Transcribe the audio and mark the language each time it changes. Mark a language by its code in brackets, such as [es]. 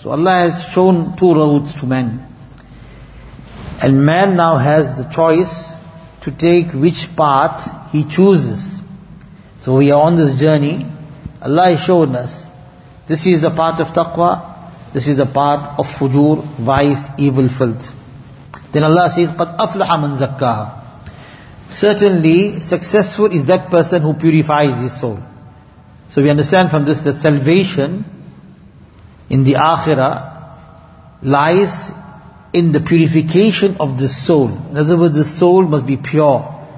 [en] So Allah has shown two roads to man. And man now has the choice to take which path he chooses. So we are on this journey. Allah has shown us, this is the path of taqwa, this is the path of fujur, vice, evil, filth. Then Allah says, [ar] قَدْ أَفْلَحَ مَنْ زَكَّاهَا. [en] Certainly, successful is that person who purifies his soul. So we understand from this that salvation in the Akhirah lies in the purification of the soul. In other words, the soul must be pure.